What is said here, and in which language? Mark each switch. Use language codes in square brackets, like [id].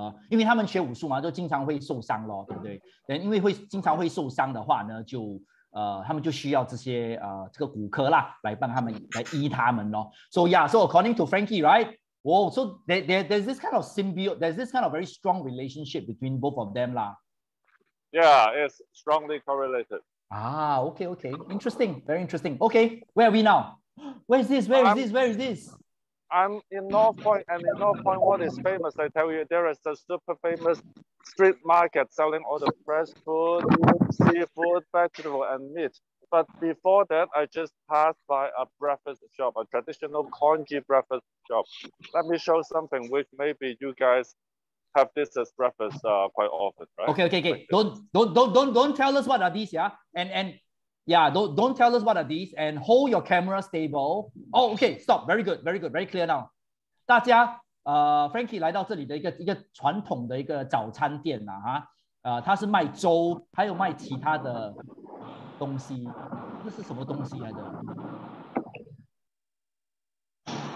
[zh] 因为他们学武术嘛，就经常会受伤咯，对不对？因为会经常会受伤的话呢，就他们就需要这些这个骨科啦，来帮他们来医他们咯。 [en] So yeah, so according to Frankie, right? Oh, so there's this kind of symbiote, there's this kind of very strong relationship between both of them 啦。 Yeah, it's strongly correlated. Ah, okay, interesting, very interesting. Okay, where are we now? Where is this? Where is this? I'm in North Point, and in North Point, what is famous, I tell you, there is a super famous street market selling all the fresh food, seafood, vegetable, and meat. But before that, I just passed by a breakfast shop, a traditional congee breakfast shop. Let me show something which maybe you guys have this as breakfast quite often, right? Okay. Don't tell us what are these, yeah? Yeah, don't tell us what are these and hold your camera stable. Oh, okay, stop. Very good. Very clear now. [zh] 大家Frankie 来到这里的一个传统的一个早餐店啊，他是卖粥，还有卖其他的东西。这是什么东西来的？